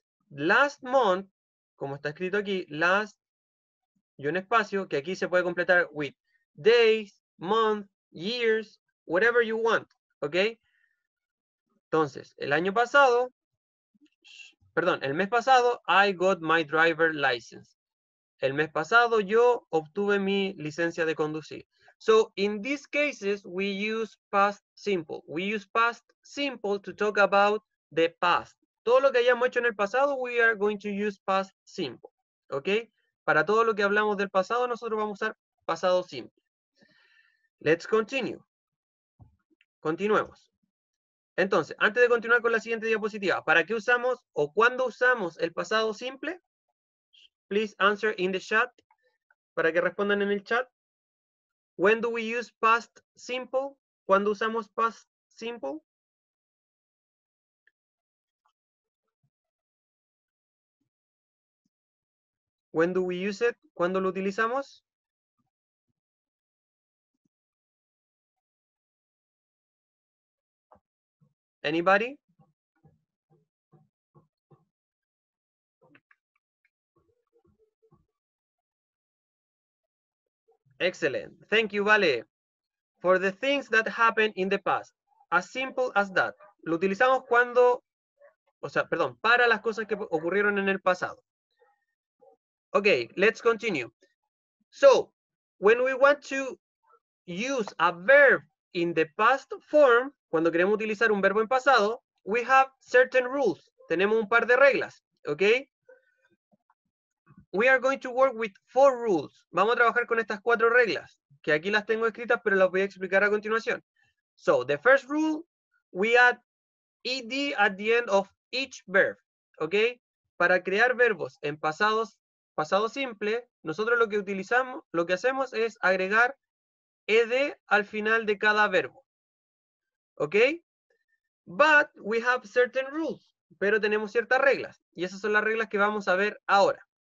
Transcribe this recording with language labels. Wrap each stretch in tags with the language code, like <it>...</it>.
<es>Last month, como está escrito aquí, last y un espacio, que aquí se puede completar</es> <en>with days, month, years, whatever you want,</en> <es>¿ok? Entonces, el año pasado, perdón, el mes pasado,</es> <en>I got my driver license.</en> <es>El mes pasado yo obtuve mi licencia de conducir.</es> <en>So in these cases, we use past simple. We use past simple to talk about the past.</en> <es>Todo lo que hayamos hecho en el pasado,</es> <en>we are going to use past simple.</en> <es>¿Ok? Para todo lo que hablamos del pasado, nosotros vamos a usar pasado simple.</es> <en>Let's continue.</en> <es>Continuemos. Entonces, antes de continuar con la siguiente diapositiva, ¿para qué usamos o cuándo usamos el pasado simple?</es> <en>Please answer in the chat,</en> <es>para que respondan en el chat.</es> <en>When do we use past simple?</en> <es>¿Cuándo usamos past simple?</es> <en>When do we use it?</en> <es>¿Cuándo lo utilizamos?</es> <en>Anybody? Excellent. Thank you, Vale. For the things that happened in the past. As simple as that.</en> <es>Lo utilizamos cuando, o sea, perdón, para las cosas que ocurrieron en el pasado.</es> <en>Okay, let's continue. So, when we want to use a verb in the past form,</en> <es>cuando queremos utilizar un verbo en pasado,</es> <en>we have certain rules.</en> <es>Tenemos un par de reglas, okay?</es> <en>We are going to work with four rules.</en> <es>Vamos a trabajar con estas cuatro reglas, que aquí las tengo escritas, pero las voy a explicar a continuación.</es> <en>So, the first rule, we add ed at the end of each verb, okay?</en> <es>Para crear verbos en pasado simple, nosotros lo que hacemos es agregar ed al final de cada verbo.</es> <en>Okay, but we have certain rules,</en> <es>pero tenemos ciertas reglas, y esas son las reglas que vamos a ver ahora.</es>